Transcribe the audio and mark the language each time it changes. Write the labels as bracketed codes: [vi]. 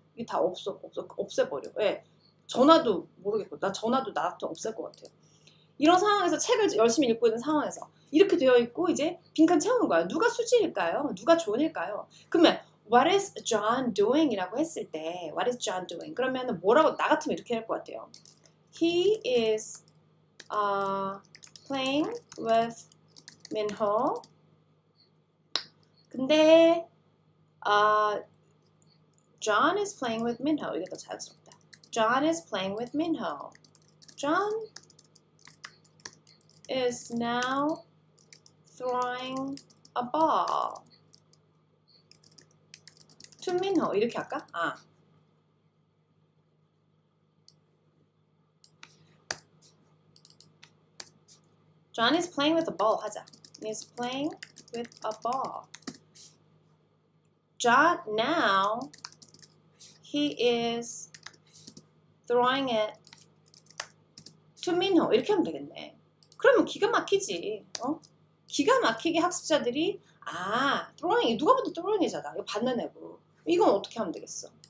[ko] 이게 다 없애버려. 예. 전화도 모르겠고 나 전화도 나한테 없앨 것 같아요. 이런 상황에서 책을 열심히 읽고 있는 상황에서 이렇게 되어 있고 이제 빈칸 채우는 거야. 누가 수지일까요? 누가 존일까요? [en] 그러면 What is John doing? [ko] 이라고 했을 때 [en] What is John doing? 그러면 뭐라고 나 같으면 이렇게 할 것 같아요. He is playing with Minho. 근데 John is playing with Minho. [ko] 이게 더 자연스럽다. [en] John is playing with Minho. John is now throwing a ball to Minho. [ko] 이렇게 할까? 아. [en] 존 is playing with a ball. 하자. is playing with a ball. John now he is throwing it to Minho. [ko] 이렇게 하면 되겠네. 그러면 기가 막히지. 어? 기가 막히게 학습자들이 아, throwing 누가 봐도 throwing이잖아. 이거 받는 애고. 이건 어떻게 하면 되겠어?